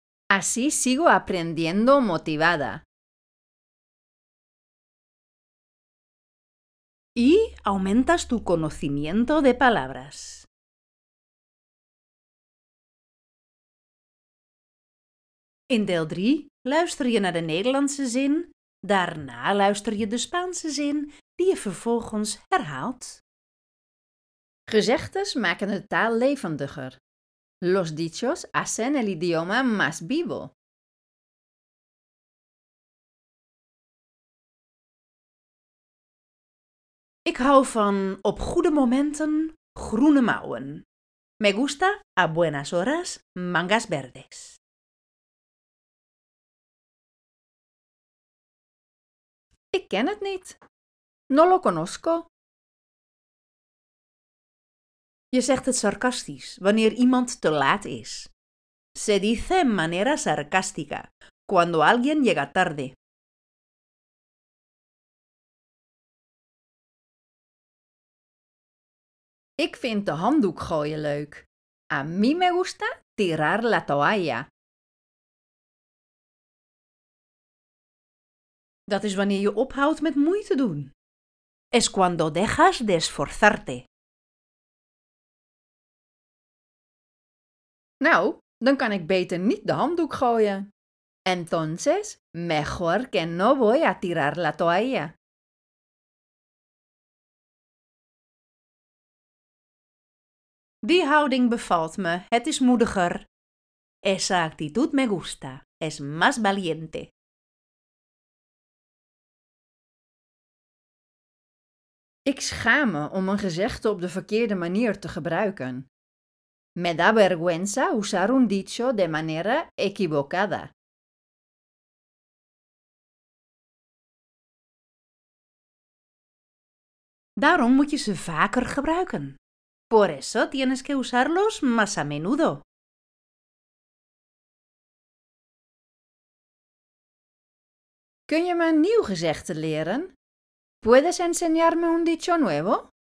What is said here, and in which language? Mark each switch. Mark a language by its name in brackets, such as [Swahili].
[Spanish] Así sigo aprendiendo motivada. Y aumentas tu conocimiento de palabras. [Dutch] In deel 3 luister je naar de Nederlandse zin, daarna luister je de Spaanse zin die je vervolgens herhaalt. Gezegdes maken de taal levendiger. [Spanish] Los dichos hacen el idioma más vivo. [Dutch] Ik hou van op goede momenten groene mouwen. [Spanish] Me gusta, a buenas horas, mangas verdes. [Dutch] Ik ken het niet. [Spanish] No lo conozco. [Dutch] Je zegt het sarcastisch, wanneer iemand te laat is. [Spanish] Se dice en manera sarcástica, cuando alguien llega tarde. [Dutch] Ik vind de handdoek gooien leuk. [Spanish] A mí me gusta tirar la toalla. [Dutch] Dat is wanneer je ophoudt met moeite doen. [Spanish] Es cuando dejas de esforzarte. [Dutch] Nou, dan kan ik beter niet de handdoek gooien. [Spanish] Entonces, mejor que no voy a tirar la toalla. [Dutch] Die houding bevalt me, het is moediger. [Spanish] Esa actitud me gusta, es más valiente. [Dutch] Ik schaam me om een gezegde op de verkeerde manier te gebruiken. [Spanish] Me da vergüenza usar un dicho de manera equivocada. [Dutch] Daarom moet je ze vaker gebruiken. [Spanish] Por eso tienes que usarlos más a menudo. [Dutch] Kun je me een nieuw gezegde leren? [Spanish] ¿Puedes enseñarme un dicho nuevo?